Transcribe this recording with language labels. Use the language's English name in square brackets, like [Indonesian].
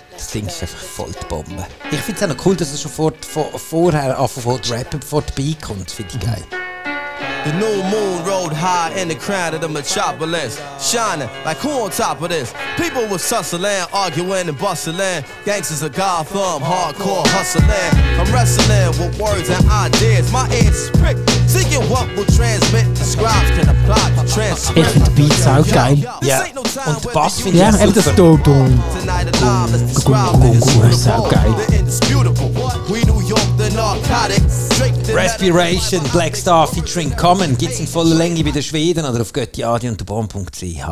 [German] Das Ding ist einfach voll die Bombe. Ich finde es auch noch cool, dass es schon vorher anfängt zu rappen, bevor die Beat kommt. Finde ich geil. [English] The new moon rode high in the crown of the metropolis, shining like who on top of this? People was tussling, arguing and bustling. Gangsters of Gotham, hardcore hustling. I'm wrestling with words and ideas. My ears pricked, seeking what will transmit. The scribes can apply to transcript. [German] Ich finde die Beats auch geil. Ja. Und der Bass finde ich super. Ja, das Do-Dum. Gung, ist auch geil. [English] We New York, the narcotics. [German] Respiration, Black Star featuring Common, gibt es in voller Länge bei den Schweden oder auf Götti-Adi und Bonn.ch.